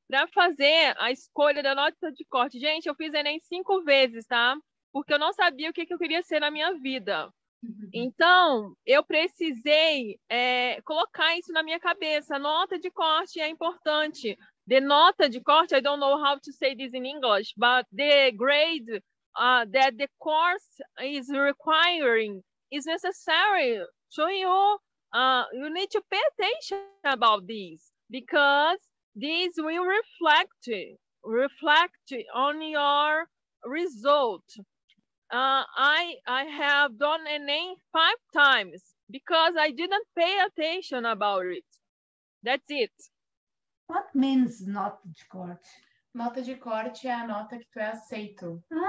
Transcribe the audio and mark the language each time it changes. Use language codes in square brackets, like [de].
[pt] Para fazer a escolha da nota de corte. Gente, eu fiz Enem 5 vezes, tá? Porque eu não sabia o que, que eu queria ser na minha vida. Então, eu precisei colocar isso na minha cabeça. Nota de corte é importante. [en] The nota de corte, I don't know how to say this in English, but the grade that the course is requiring is necessary to you. You need to pay attention about this because this will reflect on your result. I have done Enem 5 times because I didn't pay attention about it. That's it. What means nota de corte? [pt] Nota de corte é a nota que tu é aceito.